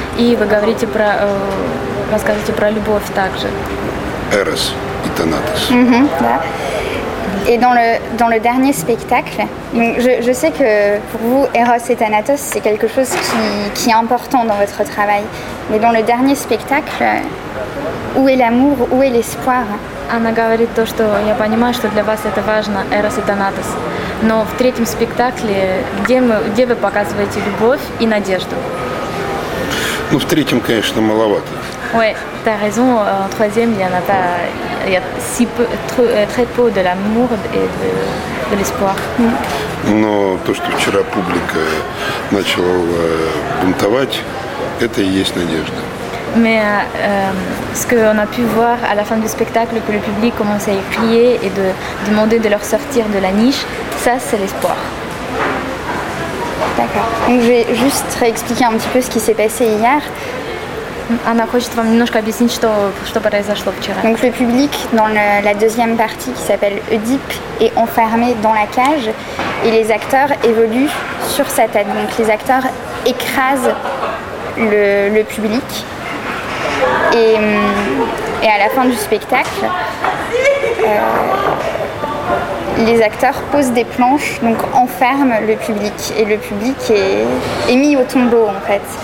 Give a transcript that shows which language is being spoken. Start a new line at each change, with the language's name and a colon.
Russian: И вы говорите про рассказываете про любовь также. Эрос и Танатос. Да.
French: Et dans le dernier spectacle, je sais que pour vous, Eros et Thanatos, c'est quelque chose qui est important dans votre travail. Mais dans le dernier spectacle, où est l'amour, où est l'espoir?
Russian: Она говорит то, что я понимаю, что для вас это важно, Эрос и Танатос. Но в третьем спектакле, где вы показываете любовь и надежду? Ну, в третьем, конечно, маловато.
French: Ouais, t'as raison, en troisième, il y en a pas, il y a si peu, très peu de l'amour et de l'espoir.
Russian: Но то, что вчера публика начала бунтовать, это и есть надежда.
French: Mais ce qu'on a pu voir à la fin du spectacle, que le public commence à y crier et de demander de leur sortir de la niche, ça c'est l'espoir. D'accord. Donc je vais juste réexpliquer un petit peu ce qui s'est passé hier.
Russian: Она хочет вам немножко объяснить, что произошло вчера.
French: Donc le public dans la deuxième partie qui s'appelle Oedipe est enfermé dans la cage et les acteurs évoluent sur sa tête. Donc les acteurs écrasent le public et à la fin du spectacle, les acteurs posent des planches, donc enferment le public et le public est mis au tombeau en fait.